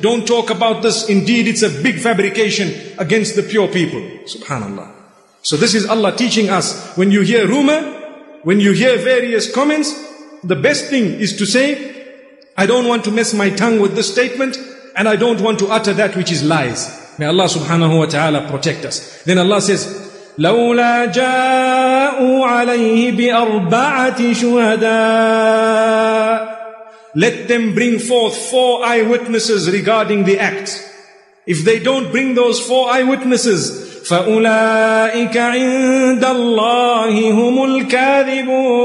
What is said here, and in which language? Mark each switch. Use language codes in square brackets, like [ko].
[en] Don't talk about this. Indeed, it's a big fabrication against the pure people. Subhanallah. So this is Allah teaching us, when you hear rumor, when you hear various comments, the best thing is to say, I don't want to mess my tongue with this statement, and I don't want to utter that which is lies. May Allah subhanahu wa ta'ala protect us. Then Allah says, [ar] لولا جاءوا عليه بأربعة شهداء. [en] Let them bring forth four eyewitnesses regarding the act. If they don't bring those four eyewitnesses, [ar] فأولئك عند الله هم الكاذبون.